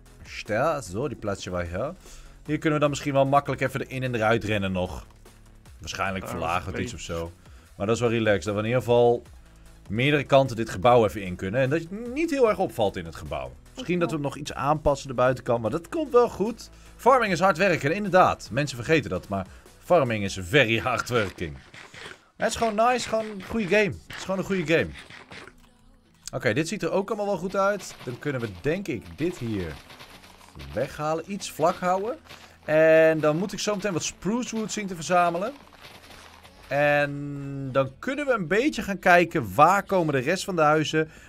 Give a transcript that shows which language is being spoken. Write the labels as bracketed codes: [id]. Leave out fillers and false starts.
[nl] Ster, zo, die plaatsje waar hier. Hier kunnen we dan misschien wel makkelijk even erin en eruit rennen nog. Waarschijnlijk verlagen we het iets of zo. Maar dat is wel relaxed, dat we in ieder geval meerdere kanten dit gebouw even in kunnen. En dat het niet heel erg opvalt in het gebouw. Misschien dat we nog iets aanpassen de buitenkant, maar dat komt wel goed. Farming is hard werken, inderdaad. Mensen vergeten dat, maar... [en] Farming is very hard working. [nl] Het is gewoon nice, gewoon een goede game. Het is gewoon een goede game. Oké, dit ziet er ook allemaal wel goed uit. Dan kunnen we denk ik dit hier weghalen. Iets vlak houden. En dan moet ik zometeen wat spruce wood zien te verzamelen. En dan kunnen we een beetje gaan kijken waar komen de rest van de huizen.